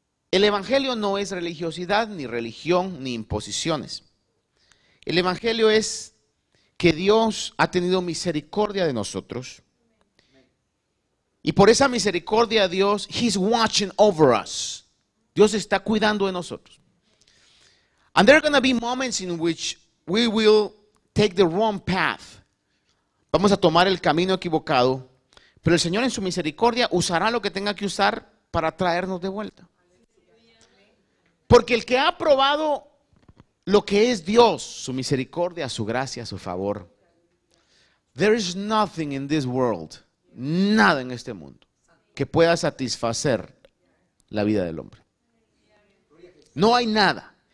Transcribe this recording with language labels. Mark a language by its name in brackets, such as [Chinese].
[Spanish] El evangelio no es religiosidad, ni religión, ni imposiciones. El evangelio es que Dios ha tenido misericordia de nosotros. Y por esa misericordia Dios, [English] he's watching over us. [Spanish] Dios está cuidando de nosotros. [English] And there are going to be moments in which we will take the wrong path. [Spanish] Vamos a tomar el camino equivocado, pero el Señor en su misericordia usará lo que tenga que usar para traernos de vuelta. Porque el que ha probado lo que es Dios, su misericordia, su gracia, su favor, [English] there is nothing in this world, [Spanish] nada en este mundo, que pueda satisfacer la vida del hombre. No hay nada.